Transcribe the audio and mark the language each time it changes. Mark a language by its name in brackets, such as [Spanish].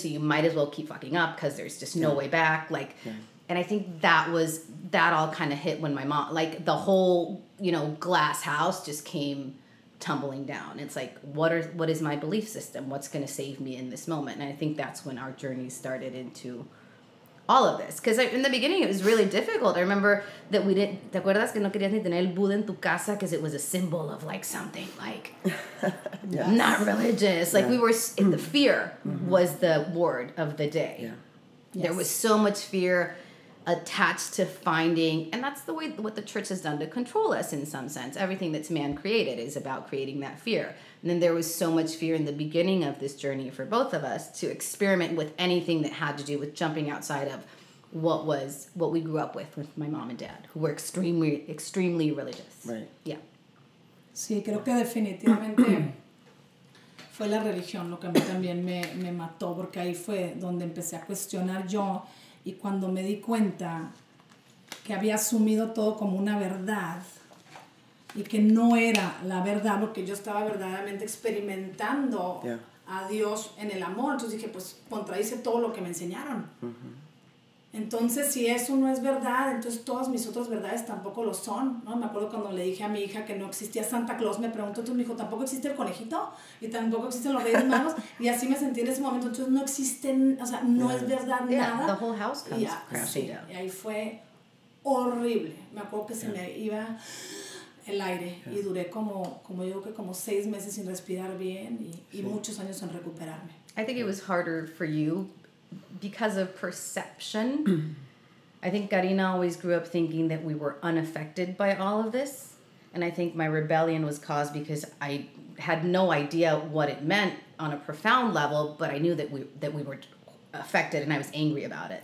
[English] So you might as well keep fucking up because there's just no way back. Like, and I think that all kind of hit when my mom, like the whole, you know, glass house just came tumbling down. It's like, what is my belief system? What's going to save me in this moment? And I think that's when our journey started into all of this. Because in the beginning, it was really difficult. I remember that we didn't... [Spanish] ¿Te acuerdas que no querías ni tener el Buda en tu casa? [English] Because it was a symbol of, like, something, like, yes. Not religious. Like, yeah. We were... in the fear was the word of the day. Yeah. There was so much fear attached to finding, and that's the way what the church has done to control us in some sense. Everything that's man created is about creating that fear. And then there was so much fear in the beginning of this journey for both of us to experiment with anything that had to do with jumping outside of what we grew up with my mom and dad, who were extremely, extremely religious. Right. Yeah. [Spanish] Sí, creo que definitivamente fue la religión lo que a mí también me mató, porque ahí fue donde empecé a cuestionar yo. Y cuando me di cuenta que había asumido todo como una verdad y que no era la verdad lo que yo estaba verdaderamente experimentando a Dios en el amor, entonces dije, pues contradice todo lo que me enseñaron. Entonces, si eso no es verdad, entonces todas mis otras verdades tampoco lo son, ¿no? Me acuerdo cuando le dije a mi hija que no existía Santa Claus, me preguntó, entonces me dijo, ¿tampoco existe el conejito? ¿Y tampoco existen los Reyes Magos? Y así me sentí en ese momento, entonces no existen, o sea, no es verdad nada. [English] The whole house comes crashing down. [Spanish] Y ahí fue horrible. Me acuerdo que se me iba el aire y duré como yo creo que como 6 meses sin respirar bien y muchos años en recuperarme. [English] I think it was harder for you because of perception. I think Carina always grew up thinking that we were unaffected by all of this. And I think my rebellion was caused because I had no idea what it meant on a profound level, but I knew that we were affected, and I was angry about it.